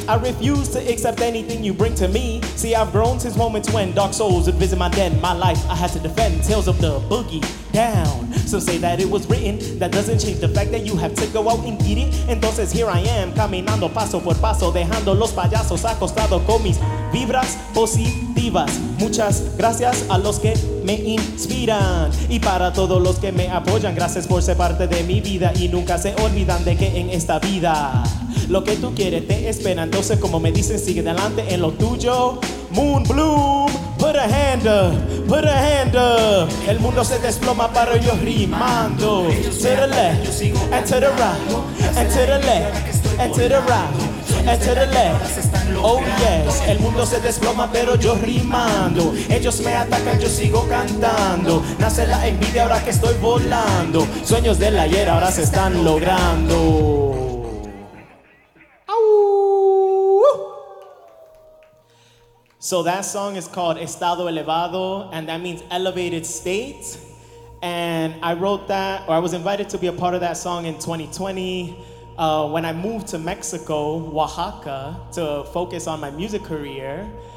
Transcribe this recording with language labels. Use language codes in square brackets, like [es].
[en] I refuse to accept anything you bring to me. See, I've grown since moments when dark souls would visit my den. My life I had to defend. Tales of the boogie down. Some say that it was written. That doesn't change the fact that you have to go out and get it. [es] Entonces [en] here I am, [es] caminando paso por paso, dejando los payasos acostado con mis vibras positivas. Muchas gracias a los que me inspiran. Y para todos los que me apoyan, gracias por ser parte de mi vida. Y nunca se olvidan de que en esta vida lo que tú quieres te espera. Entonces como me dicen, sigue adelante en lo tuyo. [en] Moon bloom, put a hand up, put a hand up. [es] El mundo se desploma pero yo rimando. [en] To the left, and to the right, and to the left, and to the right, and to the left. Oh yes, [es] el mundo se desploma pero yo rimando. Ellos me atacan, yo sigo cantando. Nace la envidia ahora que estoy volando. Sueños del ayer ahora se están logrando. [en] So that song is called Estado Elevado, and that means elevated state. And I wrote that, or I was invited to be a part of that song in 2020 when I moved to Mexico, Oaxaca, to focus on my music career.